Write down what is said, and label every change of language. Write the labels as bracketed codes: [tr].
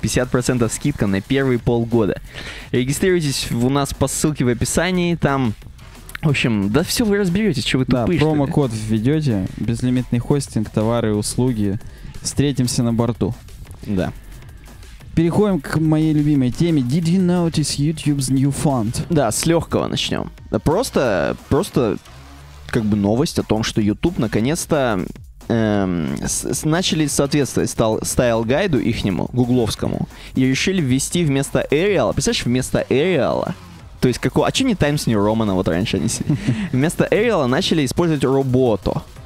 [ru] 50% скидка на первые полгода. Регистрируйтесь у нас по ссылке в описании. Там... В общем, да все вы разберетесь, что вы тупые. Да, промокод введете, безлимитный хостинг, товары, услуги. Встретимся на борту. Да. Переходим к моей любимой теме. [en] Did you notice YouTube's new font? [ru] Да, с легкого начнем. Да просто, как бы новость о том, что YouTube наконец-то начали соответствовать стайл-гайду ихнему, гугловскому, и решили ввести вместо Arial, представляешь, вместо Arial... То есть, какого... А что не Times New Roman, вот раньше они сидели? Вместо Arial начали использовать Roboto.